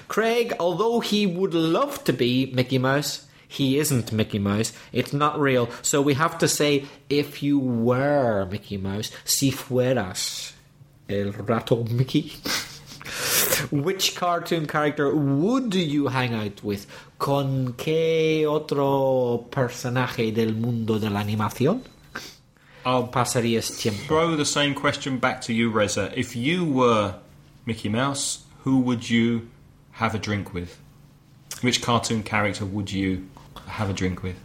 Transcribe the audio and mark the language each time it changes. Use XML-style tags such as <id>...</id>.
<en>Craig, although he would love to be Mickey Mouse, he isn't Mickey Mouse. It's not real. So we have to say, if you were Mickey Mouse,</en> <es>si fueras el rato Mickey,</es> <en>which cartoon character would you hang out with?</en> <es>¿Con qué otro personaje del mundo de la animación?</es> <en>I'll</en> <es>pasarías tiempo.</es> <en>Throw the same question back to you, Reza. If you were Mickey Mouse, who would you have a drink with? Which cartoon character would you have a drink with?</en>